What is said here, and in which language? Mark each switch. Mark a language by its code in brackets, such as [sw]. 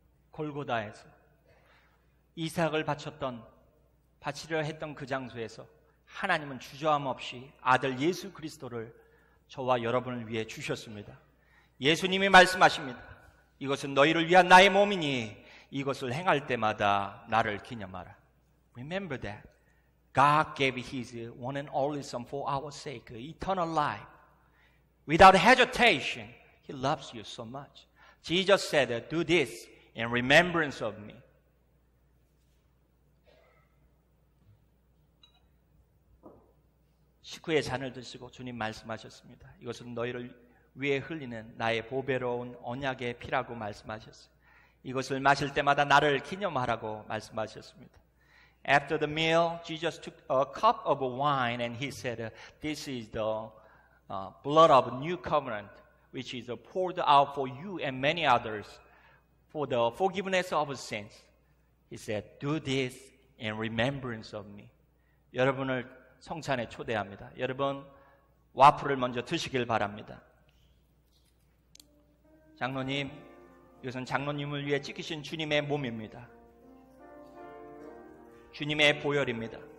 [ko] 골고다에서 이삭을 바쳤던 바치려 했던 그 장소에서 하나님은 주저함 없이 아들 예수 그리스도를 저와 여러분을 위해 주셨습니다. 예수님이 말씀하십니다. 이것은 너희를 위한 나의 몸이니 이것을 행할 때마다 나를 기념하라. [en] Remember that God gave his one and only son for our sake, eternal life. Without hesitation, he loves you so much. Jesus said, do this in remembrance of me. [ko] 식후에 잔을 드시고 주님 말씀하셨습니다. 이것은 너희를 위해 흘리는 나의 보배로운 언약의 피라고 말씀하셨어요. 이것을 마실 때마다 나를 기념하라고 말씀하셨습니다. [en] After the meal, Jesus took a cup of wine and he said, this is the blood of new covenant. Which is poured out for you and many others for the forgiveness of sins. He said, do this in remembrance of me. [ko] 여러분을 성찬에 초대합니다. 여러분, 와플을 먼저 드시길 바랍니다. 장로님, 이것은 장로님을 위해 찍으신 주님의 몸입니다. 주님의 보혈입니다.